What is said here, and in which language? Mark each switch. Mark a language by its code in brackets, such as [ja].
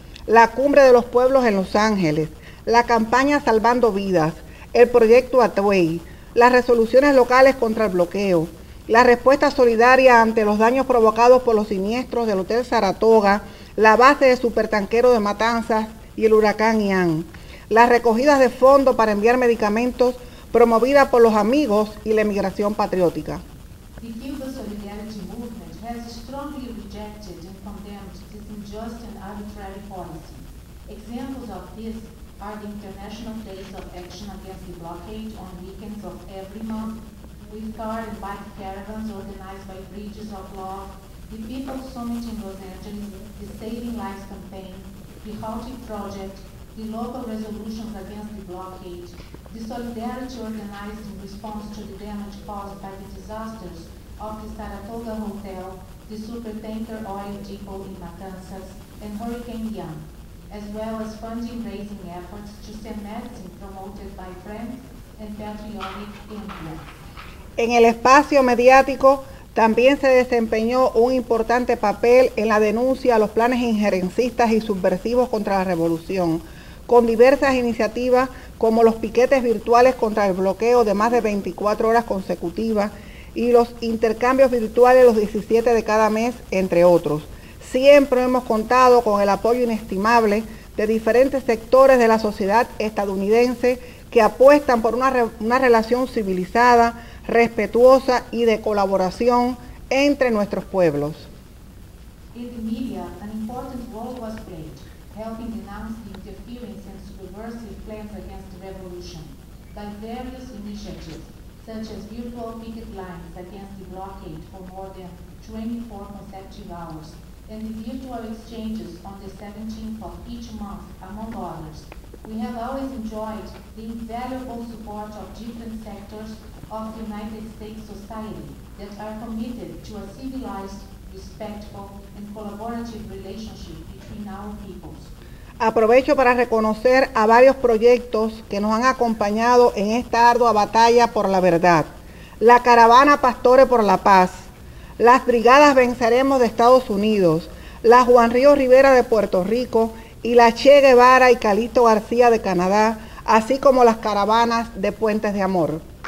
[es] la Cumbre de los Pueblos en Los Ángeles, la campaña Salvando Vidas, el proyecto Atuey, las resoluciones locales contra el bloqueo, la respuesta solidaria ante los daños provocados por los siniestros del Hotel Saratoga, la base de supertanquero de Matanzas y el huracán Ian, las recogidas de fondos para enviar medicamentos promovida por los amigos y la emigración patriótica. [en] The Cuba Solidarity Movement has strongly rejected and condemned this unjust and arbitrary policy. Examples of this are the International Days of Action Against the Blockade on weekends of every month, with car and bike caravans organized by Bridges of Love, the People's Summit in Los Angeles, the Saving Lives Campaign, the Haiti Project, the local resolutions against the blockade, the solidarity organized in response to the damage caused by the disasters of the Saratoga Hotel, the supertanker oil depot in Matanzas, and Hurricane Ian, as well as funding raising efforts to send medicine promoted by friends and patriotic immigrants. [es] En el espacio mediático, también se desempeñó un importante papel en la denuncia a los planes injerencistas y subversivos contra la revolución, con diversas iniciativas como los piquetes virtuales contra el bloqueo de más de 24 horas consecutivas y los intercambios virtuales los 17 de cada mes, entre otros. Siempre hemos contado con el apoyo inestimable de diferentes sectores de la sociedad estadounidense que apuestan por una relación civilizada, respetuosa y de colaboración entre nuestros pueblos. [en] In the media, an important role was played, helping denounce the interference and subversive plans against the revolution by various initiatives, such as virtual picket lines against the blockade for more than 24 consecutive hours, and the virtual exchanges on the 17th of each month, among others. We have always enjoyed the invaluable support of different sectors of the United States society that are committed to a civilized, respectful, and collaborative relationship between our peoples. [es] Aprovecho para reconocer a varios proyectos que nos han acompañado en esta ardua batalla por la verdad. La Caravana Pastores por la Paz, las Brigadas Venceremos de Estados Unidos, la Juan Río Rivera de Puerto Rico y la Che Guevara y Calixto García de Canadá, así como las caravanas de Puentes de Amor.